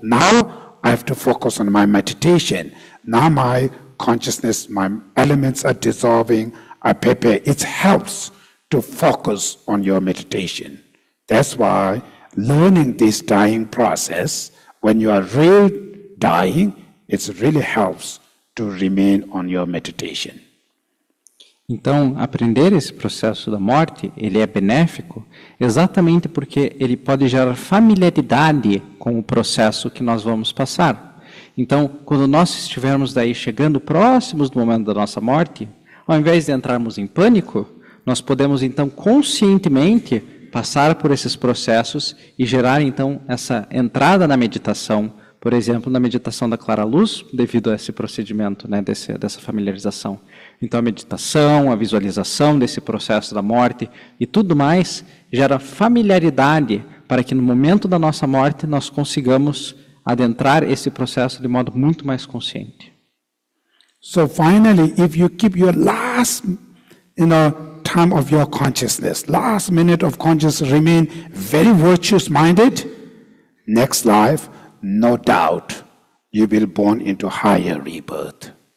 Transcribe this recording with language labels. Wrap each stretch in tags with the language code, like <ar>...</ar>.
<en>Now I have to focus on my meditation. Now my consciousness, my elements are dissolving. I prepare. It helps to focus on your meditation. That's why learning this dying process, when you are really dying, it really helps to remain on your meditation.</en> <pt>Então, aprender esse processo da morte, ele é benéfico exatamente porque ele pode gerar familiaridade com o processo que nós vamos passar. Então, quando nós estivermos daí chegando próximos do momento da nossa morte, ao invés de entrarmos em pânico, nós podemos então conscientemente passar por esses processos e gerar então essa entrada na meditação, por exemplo, na meditação da clara-luz, devido a esse procedimento, né, dessa familiarização. Então, a meditação, a visualização desse processo da morte e tudo mais gera familiaridade para que no momento da nossa morte nós consigamos adentrar esse processo de modo muito mais consciente.</pt> <en>So finally, if you keep your last, you know, time of your consciousness, last minute of consciousness, remain very virtuous minded, next life, no doubt, you will born into higher rebirth.</en>